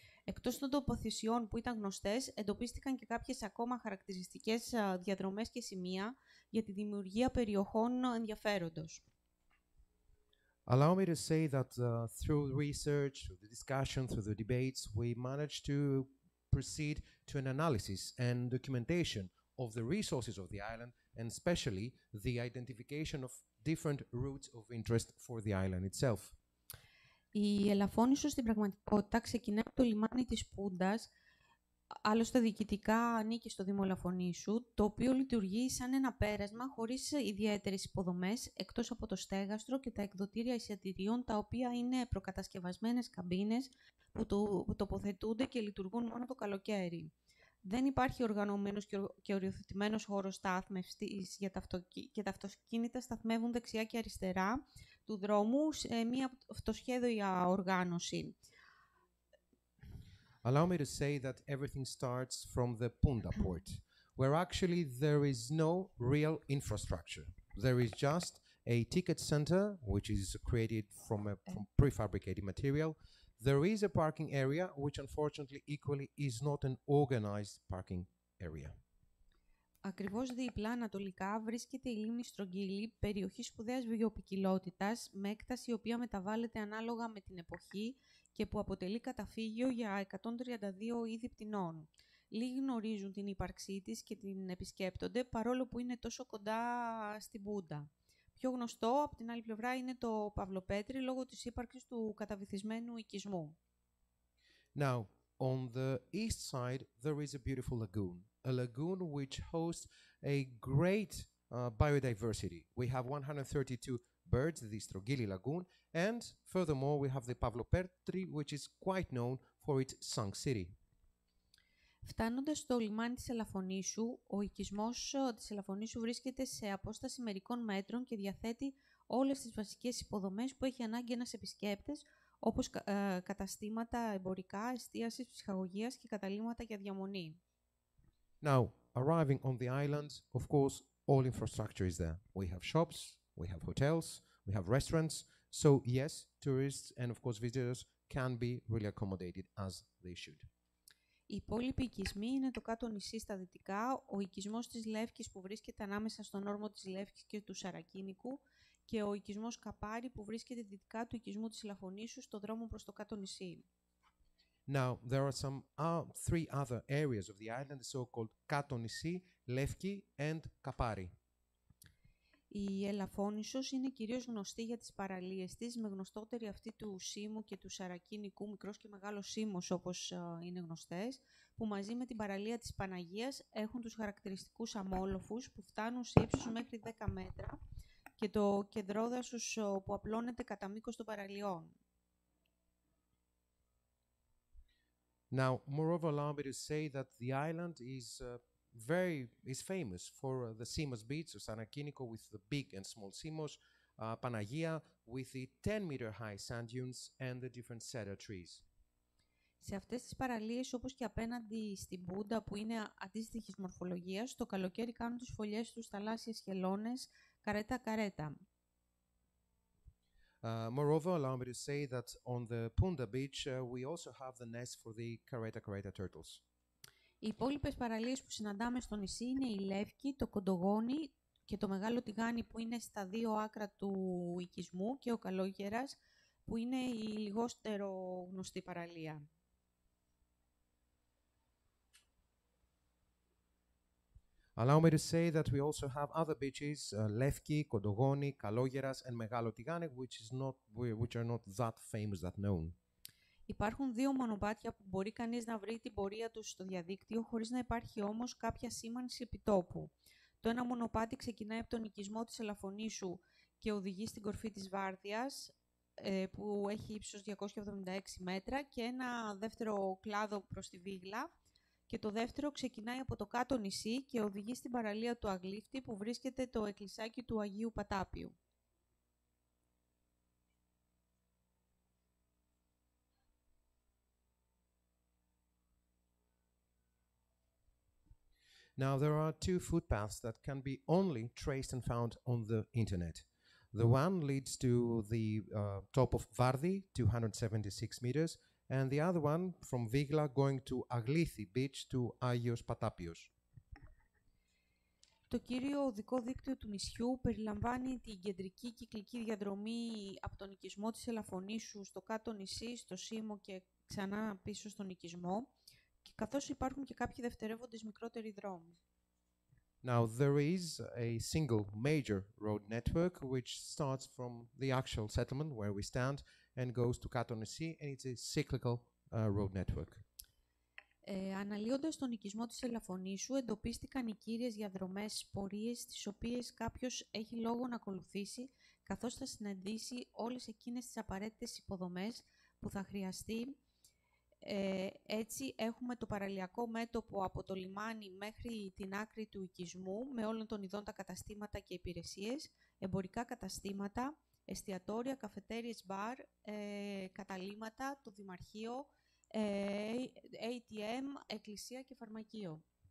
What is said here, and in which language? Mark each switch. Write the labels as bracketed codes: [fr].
[el] Εκτός των τοποθεσιών που ήταν γνωστές, εντοπίστηκαν και κάποιες ακόμα χαρακτηριστικές διαδρομές και σημεία για τη δημιουργία περιοχών ενδιαφέροντος. [en] Allow me to say that through research, through the discussion, through the debates, we managed to proceed to an analysis and documentation of the resources of the island, and especially the identification of different routes of interest for the island itself. [el] Η Ελαφώνησο στην πραγματικότητα ξεκινά από το λιμάνι της Πούντας, άλλωστε διοικητικά ανήκει στο Δήμο Ελαφωνήσου, το οποίο λειτουργεί σαν ένα πέρασμα χωρίς ιδιαίτερες υποδομές, εκτός από το στέγαστρο και τα εκδοτήρια εισιτηρίων, τα οποία είναι προκατασκευασμένες καμπίνες που τοποθετούνται και λειτουργούν μόνο το καλοκαίρι. Δεν υπάρχει οργανωμένος και οριοθετημένος χώρος στάθμευσης για τα αυτοκίνητα και τα αυτοκίνητα σταθμεύουν δεξιά και αριστερά του δρόμου σε μια αυτοσχέδια οργάνωση. [en] Allow me to say that everything starts from the Punta Port, where actually there is no real infrastructure. There is just a ticket center, which is created from prefabricated material. There is a parking area, which unfortunately equally is not an organized parking area. [el] Ακριβώς δίπλα, ανατολικά, βρίσκεται η λίμνη Στρογγύλη, περιοχή σπουδαίας βιοποικιλότητας, με έκταση η οποία μεταβάλλεται ανάλογα με την εποχή και που αποτελεί καταφύγιο για 132 είδη πτηνών. Λίγοι γνωρίζουν την ύπαρξή της και την επισκέπτονται, παρόλο που είναι τόσο κοντά στην Πούντα. Πιο γνωστό, από την άλλη πλευρά, είναι το Παυλοπέτρι, λόγω της ύπαρξης του καταβυθισμένου οικισμού. [en] Now, on the east side, there is a beautiful lagoon. A lagoon which hosts a great biodiversity. We have 132 birds, the Strogili Lagoon, and furthermore we have the Pavlopertri, which is quite known for its sunk city. [el] Φτάνοντας στο λιμάνι της Ελαφωνήσου, ο οικισμός της Ελαφωνήσου βρίσκεται σε απόσταση μερικών μέτρων και διαθέτει όλες τις βασικές υποδομές που έχει ανάγκη ένας επισκέπτης, όπως καταστήματα εμπορικά, εστίασης, ψυχαγωγίας και καταλήμματα για διαμονή. [en] Now, arriving on the island, of course, all infrastructure is there. We have shops, we have hotels, we have restaurants. So, yes, tourists and, of course, visitors can be really accommodated as they should. [el] Οι υπόλοιποι οικισμοί είναι το κάτω νησί στα δυτικά, ο οικισμός της Λεύκης που βρίσκεται ανάμεσα στον όρμο της Λεύκης και του Σαρακίνικου και ο οικισμός Καπάρι που βρίσκεται δυτικά του οικισμού της Ελαφωνήσου στο δρόμο προς το κάτω νησί. [en] Now, there are some three other areas of the island, the so-called Kato Nisi, Lefki and Kapari. [el] Η Ελαφώνησος είναι κυρίως γνωστή για τις παραλίες της, με γνωστότερη αυτή του Σίμου και του Σαρακίνικου, μικρός και μεγάλος Σίμος όπως είναι γνωστές, που μαζί με την παραλία της Παναγίας έχουν τους χαρακτηριστικούς αμόλοφους που φτάνουν σε ύψος μέχρι 10 μέτρα και το κεντρόδασος που απλώνεται κατά μήκος των παραλιών. [en] Now, moreover, allow me to say that the island is is famous for the Simos beach, Sanakiniko with the big and small Simos, Panagia with the 10-meter-high sand dunes and the different cedar trees. [el] Σε αυτές τις παραλίες, όπως και απέναντι στην Πούντα, που είναι αντίστοιχης μορφολογίας, το καλοκαίρι κάνουν τις φωλιές τους θαλάσσιες χελώνες, καρέτα-καρέτα. [en] Moreover, allow me to say that on the Punta beach we also have the nest for the Carreta Carreta turtles. [el] Οι υπόλοιπες παραλίες που συναντάμε στο νησί είναι η Λεύκη, το Κοντογόνι και το Μεγάλο Τηγάνι που είναι στα δύο άκρα του οικισμού και ο Καλόγερας που είναι η λιγότερο γνωστή παραλία. [en] Allow me to say that we also have other beaches, Lefki, Kodogoni, Kalogeras and Megalo Tigane, which are not that famous, that known. [el] Υπάρχουν δύο μονοπάτια που μπορεί κανείς να βρει την πορεία τους στο διαδίκτυο, χωρίς να υπάρχει όμως κάποια σήμανση επιτόπου. Το ένα μονοπάτι ξεκινάει από τον οικισμό της Ελαφωνήσου και οδηγεί στην κορφή της Βάρδιας, που έχει ύψος 276 μέτρα, και ένα δεύτερο κλάδο προς τη Βίγλα. Και το δεύτερο ξεκινάει από το κάτω νησί και οδηγεί στην παραλία του Αγλίφτη που βρίσκεται το εκκλησάκι του Αγίου Πατάπιου. [en] Now there are two footpaths that can be only traced and found on the internet. The one leads to the top of Vardi, 276 meters, and the other one from Vigla going to Aglithi beach to Agios Patapios. [el] Το κύριο οδικό δίκτυο του νησιού περιλαμβάνει την κεντρική κυκλική διαδρομή από τον οικισμό της Ελαφωνήσου στο κάτω νησί, στο Σίμο και ξανά πίσω στον οικισμό, καθώς υπάρχουν και κάποιοι δευτερεύοντες μικρότεροι δρόμοι. [en] Now there is a single major road network which starts from the actual settlement where we stand and goes to Kato Nisi, and it's a cyclical road network. [el] Αναλύοντας τον οικισμό της Ελαφωνήσου, εντοπίστηκαν οι κύριες διαδρομές πορείες, τις οποίες κάποιος έχει λόγο να ακολουθήσει, καθώς θα συναντήσει όλες εκείνες τις απαραίτητες υποδομές που θα χρειαστεί. Έτσι έχουμε το παραλιακό μέτωπο από το λιμάνι μέχρι την άκρη του οικισμού με όλων των ειδών τα καταστήματα και υπηρεσίες, εμπορικά καταστήματα, εστιατόρια, καφετέριες, μπαρ, καταλήματα, το Δημαρχείο, ATM, εκκλησία και φαρμακείο.